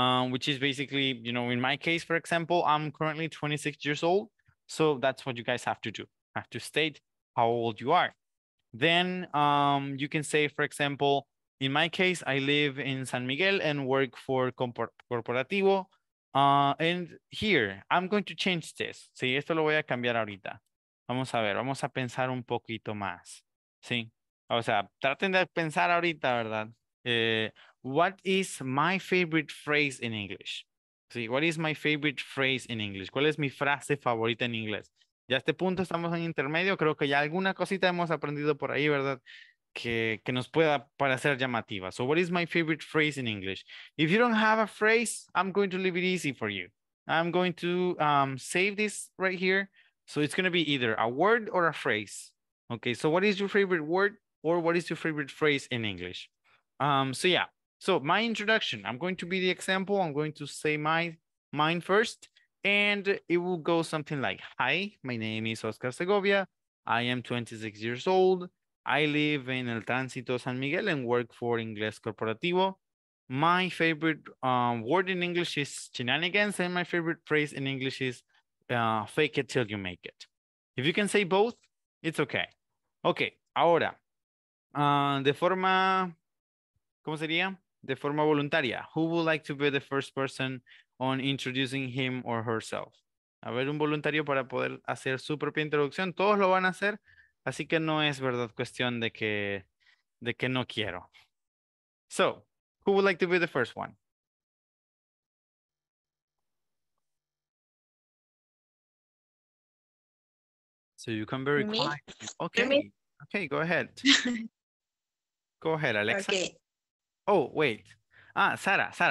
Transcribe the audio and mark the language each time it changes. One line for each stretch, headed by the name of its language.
English: Which is basically, you know, in my case, for example, I'm currently 26 years old. So that's what you guys have to do. Have to state how old you are. Then you can say, for example, in my case, I live in San Miguel and work for Corporativo. And here, I'm going to change this.
Spanish: Sí, esto lo voy a cambiar ahorita. Vamos a ver, vamos a pensar un poquito más. Sí, o sea, traten de pensar ahorita, ¿verdad?
English: What is my favorite phrase in English? Sí, what is my favorite phrase in English?
Spanish: ¿Cuál es mi frase favorita en inglés? Ya a este punto estamos en intermedio. Creo que ya alguna cosita hemos aprendido por ahí, ¿verdad? Que nos pueda parecer llamativa.
English: So what is my favorite phrase in English? If you don't have a phrase, I'm going to leave it easy for you. I'm going to save this right here. So it's going to be either a word or a phrase. Okay, so what is your favorite word or what is your favorite phrase in English? So yeah. So my introduction, I'm going to be the example. I'm going to say mine first, and it will go something like, hi, my name is Oscar Segovia. I am 26 years old. I live in El Tránsito San Miguel and work for Ingles Corporativo. My favorite word in English is shenanigans, and my favorite phrase in English is fake it till you make it. If you can say both, it's okay. Okay,
Spanish: ahora, de forma, ¿cómo sería? De forma voluntaria.
English: Who would like to be the first person on introducing him or herself?
Spanish: a ver un voluntario para poder hacer su propia introducción. Todos lo van a hacer, así que no es verdad cuestión de que no quiero.
English: So, who would like to be the first one? So you come very quiet. Okay. Okay, go ahead. Go ahead, Alexa. Okay. Oh, wait. Ah, Sara.